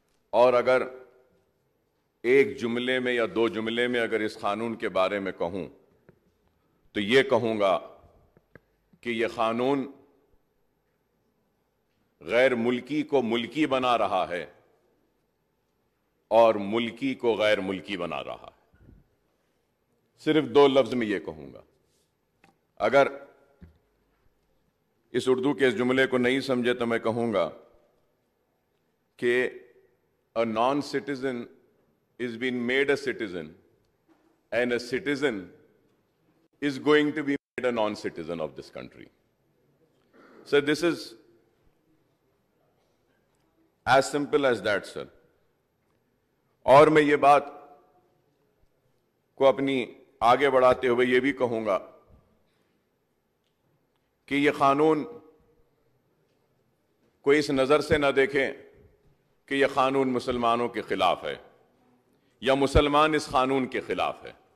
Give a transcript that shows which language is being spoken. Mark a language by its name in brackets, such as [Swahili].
[Urdu] اور اگر ایک جملے میں یا دو جملے میں اگر اس قانون کے بارے میں کہوں تو یہ کہوں گا کہ یہ قانون غیر ملکی کو ملکی بنا رہا ہے اور ملکی کو غیر ملکی بنا رہا ہے. صرف دو لفظ میں یہ کہوں گا. اگر اس اردو کے اس جملے کو نہیں سمجھے تو میں کہوں گا کہ [English] a non-citizen is being made a citizen and a citizen is going to be made a non-citizen of this country. So this is as simple as that, sir. [Urdu] اور میں یہ بات کو اپنی آگے بڑھاتے ہوئے یہ بھی کہوں گا کہ یہ قانون کوئی اس نظر سے نہ دیکھیں کہ یہ قانون مسلمانوں کے خلاف ہے یا مسلمان اس قانون کے خلاف ہے.